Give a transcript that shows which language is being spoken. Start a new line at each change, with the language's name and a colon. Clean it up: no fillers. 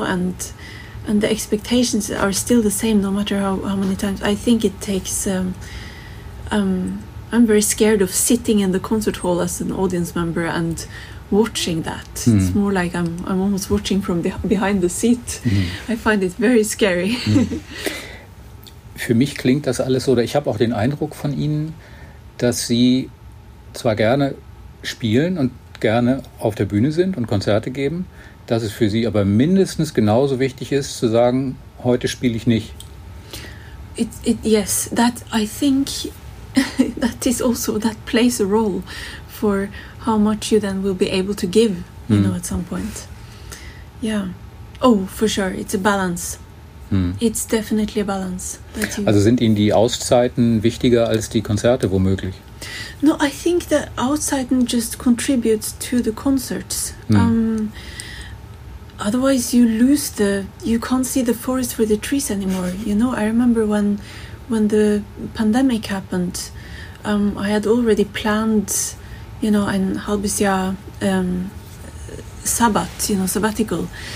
English: And the expectations are still the same no matter how many times. I think it takes... I'm very scared of sitting in the concert hall as an audience member and watching that. Mm. It's more like I'm almost watching from behind the seat. Mm. I find it very scary. Mm.
German: Für mich klingt das alles so, oder ich habe auch den Eindruck von Ihnen, dass Sie zwar gerne spielen und gerne auf der Bühne sind und Konzerte geben, dass es für Sie aber mindestens genauso wichtig ist, zu sagen, heute spiele ich nicht.
English: Yes, that I think... that is also, that plays a role for how much you then will be able to give, you know, at some point. Yeah. Oh, for sure. It's a balance. Hmm. It's definitely a balance.
German: Also sind Ihnen die Auszeiten wichtiger als die Konzerte womöglich?
English: No, I think that Auszeiten just contribute to the concerts. Otherwise you lose the, you can't see the forest for the trees anymore. You know, I remember when the pandemic happened, I had already planned, you know, an
German: halbes Jahr Sabbat,
English: you know, sabbatical.